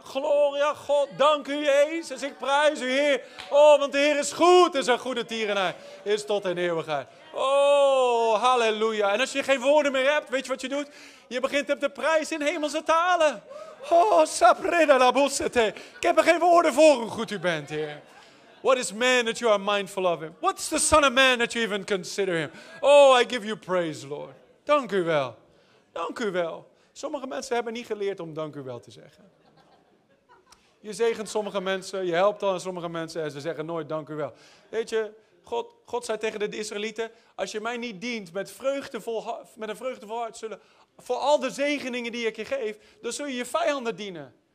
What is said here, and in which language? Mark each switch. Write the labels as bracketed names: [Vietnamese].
[Dutch] Gloria, God, dank u Jezus. Ik prijs u, Heer. Oh, want de Heer is goed. Is een goede tierenaar. Is tot in eeuwigheid. Oh, halleluja. En als je geen woorden meer hebt, weet je wat je doet? Je begint hem te prijzen in hemelse talen. Oh, saprina la bussete. Ik heb er geen woorden voor hoe goed u bent, Heer. [English] What is man that you are mindful of him? What's the son of man that you even consider him? Oh, I give you praise, Lord. [Dutch] Dank u wel. Dank u wel. Sommige mensen hebben niet geleerd om dank u wel te zeggen. Je zegent sommige mensen, je helpt al aan sommige mensen en ze zeggen nooit dank u wel. Weet je, God zei tegen de Israëlieten, als je mij niet dient met een vreugdevol hart zullen voor al de zegeningen die ik je geef, dan zul je je vijanden dienen.